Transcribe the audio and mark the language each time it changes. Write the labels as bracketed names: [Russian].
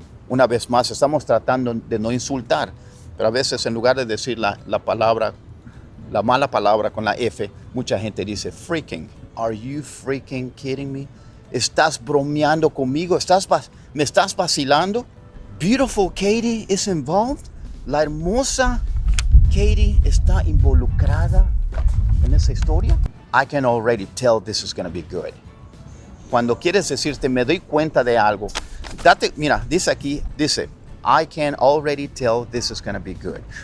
[Spanish] Una vez más, estamos tratando de no insultar, pero a veces en lugar de decir la palabra, la mala palabra con la F, mucha gente dice freaking. [English] Are you freaking kidding me? ¿Estás bromeando conmigo? ¿Me estás vacilando? Beautiful Katie is involved. [Spanish] La hermosa Katie está involucrada en esa historia. [English] I can already tell this is going to be good. [Spanish] Cuando quieres decirte, me doy cuenta de algo. Mira, dice aquí, dice, I can already tell this is going to be good.